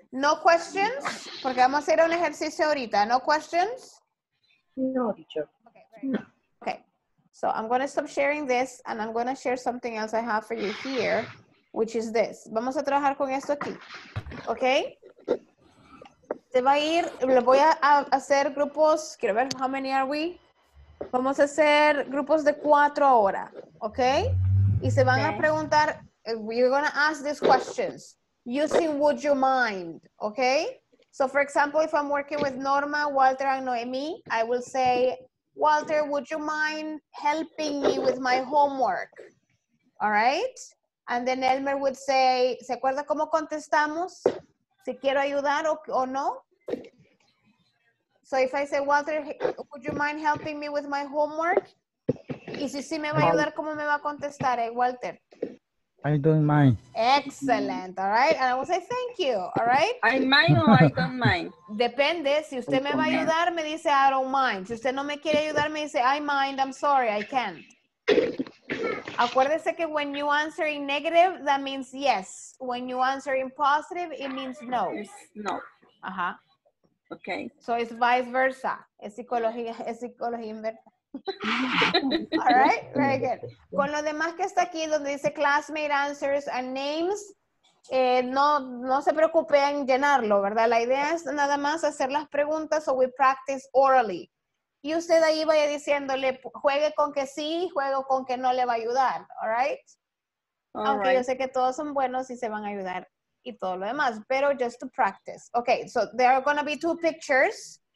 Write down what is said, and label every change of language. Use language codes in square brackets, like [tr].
[en] No questions, [es] porque vamos a hacer un ejercicio ahorita. [en] No questions? No, teacher. Okay, no. Okay, so I'm going to stop sharing this and I'm going to share something else I have for you here, which is this. [es] Vamos a trabajar con esto aquí, okay? Se va a ir, le voy a hacer grupos, quiero ver [en] how many are we? [es] Vamos a hacer grupos de cuatro ahora, okay? Y se van okay. a preguntar, [en] you're gonna ask these questions using would you mind, okay? So for example, if I'm working with Norma, Walter, and Noemi, I will say, Walter, would you mind helping me with my homework? All right? And then Elmer would say, [es] ¿se acuerda cómo contestamos? Si quiero ayudar o no? [en] So if I say, Walter, would you mind helping me with my homework? [es] Y si sí me va a ayudar, ¿cómo me va a contestar, Walter? [en] I don't mind. Excellent, all right? And I will say thank you, all right? I mind or I don't mind? [es] Depende, si usted me va a ayudar, me dice [en] I don't mind. [es] Si usted no me quiere ayudar, me dice [en] I mind, I'm sorry, I can't. [es] Acuérdese que [en] when you answer in negative, that means yes. When you answer in positive, it means no. It's no. Ajá. Okay. So it's vice versa. [es] Es psicología inversa. [en] All right, very good. [es] Con lo demás que está aquí, donde dice classmate answers and names, no se preocupe en llenarlo, ¿verdad? La idea es nada más hacer las preguntas o [en] we practice orally. [es] Y usted ahí vaya diciéndole, juegue con que sí, juego con que no le va a ayudar, all right? All Aunque right. yo sé que todos son buenos y se van a ayudar y todo lo demás, pero [en] just to practice. Okay, so there are going to be two pictures.